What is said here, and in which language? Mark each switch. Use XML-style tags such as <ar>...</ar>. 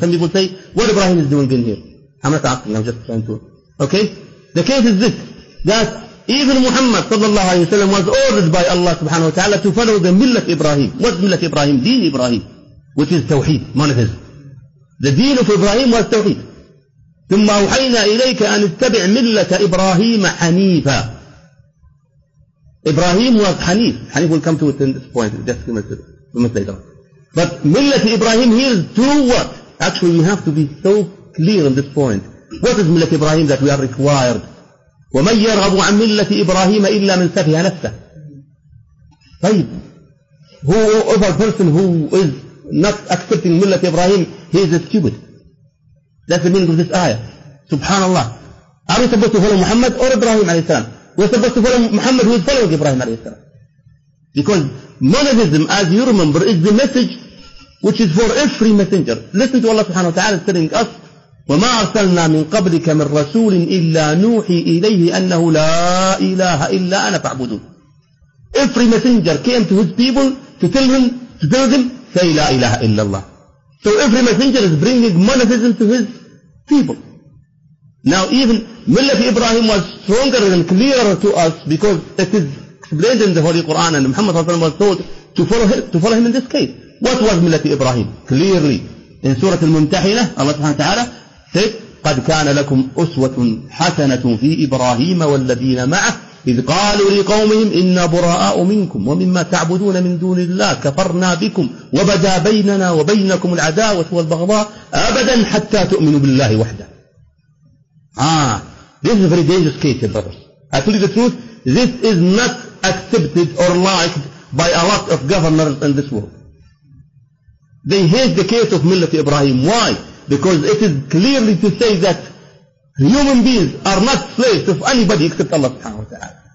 <en>Some people say, what Ibrahim is doing in here? I'm not asking, I'm just trying to... Okay? The case is this, that even Muhammad sallallahu alayhi wa sallam was ordered by Allah subhanahu wa ta'ala to follow the Millat Ibrahim. What's Millat Ibrahim? Deen Ibrahim. Which is Tawheed, monotheism. The deen of Ibrahim was Tawheed.</en> <ar>ثم أوحينا إليك أن اتبع ملة إبراهيم حنيفا.</ar> <en>Ibrahim was Hanif. Hanif will come to it in this point. Just a moment later. But ملة Ibrahim here is true what? Actually, we have to be so clear on this point. What is ملة Ibrahim that we are required?</en> <ar>ومن يرغب عن ملة إبراهيم إلا من سفه نفسه. طيب.</ar> <en>Whoever person who is not accepting ملة Ibrahim, he is a stupid. That's the meaning of this ayah. Subhanallah. Are we supposed to follow Muhammad or Ibrahim alayhi salam? We're supposed to follow Muhammad who is following Ibrahim alayhi salam. Because monotheism, as you remember, is the message which is for every messenger. Listen to Allah subhanahu wa ta'ala telling us,</en> <ar>وَمَا أَرْسَلْنَا مِنْ قَبْلِكَ مِنْ رَسُولٍ إِلَّا نُوحِي إِلَيْهِ أَنَّهُ لَا إِلَهَ إِلَّا أَنَا فَعْبُدُونَ.</ar> <en>Every messenger came to his people to tell them, say</en> <ar>لَا إِلَهَ إِلَّا اللَّهِ.</ar> <en>So every messenger is bringing monotheism to his people. Now even Millat Ibrahim was stronger and clearer to us because it is explained in the Holy Quran and Muhammad sallallahu alaihi wasallam was told to follow him in this case. What was Millat Ibrahim? Clearly in Surah Al-Mumtahinah, Allah subhanahu wa ta'ala said,</en> <ar>قَدْ كَانَ لَكُمْ أُسْوَةٌ حَسَنَةٌ فِي إِبْرَاهِيمَ وَالَّذِينَ مَعَهُ إِذْ قَالُوا لِقَوْمِهِمْ إِنَّا بُرَآءُ مِنْكُمْ وَمِمَّا تَعْبُدُونَ مِنْ دُونِ اللَّهِ كَفَرْنَا بِكُمْ وَبَدَا بَيْنَنَا وَبَيْنَكُمُ الْعَدَاوَةُ وَالْبَغْضَاءُ أَبَدًا حَتَّى تُؤْمِنُوا بِاللَّهِ وَحْدَهُ.</ar> <en>This is a very dangerous case, brothers. I tell you the truth, this is not accepted or liked by a lot of governors in this world. They hate the case of Millat Ibrahim. Why? Because it is clearly to say that human beings are not slaves of anybody except Allah subhanahu wa ta'ala.</en>